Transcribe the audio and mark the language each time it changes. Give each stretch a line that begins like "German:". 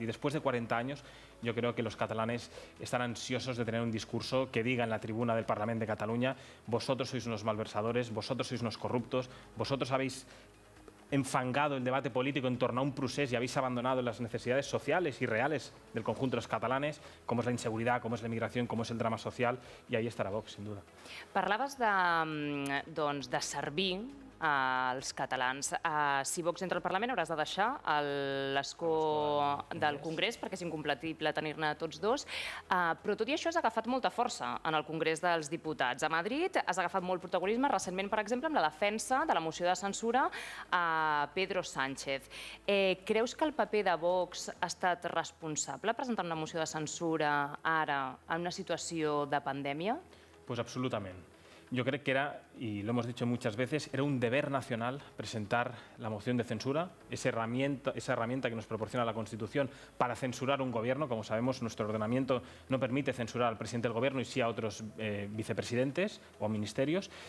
Spanish: Y después de 40 años, yo creo que los catalanes están ansiosos de tener un discurso que diga en la tribuna del Parlament de Catalunya: vosotros sois unos malversadores, vosotros sois unos corruptos, vosotros habéis enfangado el debate político en torno a un procés y habéis abandonado las necesidades sociales y reales del conjunto de los catalanes, como es la inseguridad, como es la migración, como es el drama social, y ahí estará Vox, sin duda.
Catalan: Parlaves de, doncs, de servir als catalans. Si Vox entra al Parlament, hauràs de deixar l'escó del Congrés, perquè és incompatible tenir-ne tots dos. Però tot i això, has agafat molta força en el Congrés dels Diputats. A Madrid has agafat molt protagonisme, recentment, per exemple, amb la defensa de la moció de censura a Pedro Sánchez. Creus que el paper de Vox ha estat responsable presentant una moció de censura ara en una situació de pandèmia? Pues absolutament.
Spanish: Yo creo que era, y lo hemos dicho muchas veces, era un deber nacional presentar la moción de censura, esa herramienta que nos proporciona la Constitución para censurar un gobierno. Como sabemos, nuestro ordenamiento no permite censurar al presidente del gobierno y sí a otros vicepresidentes o ministerios.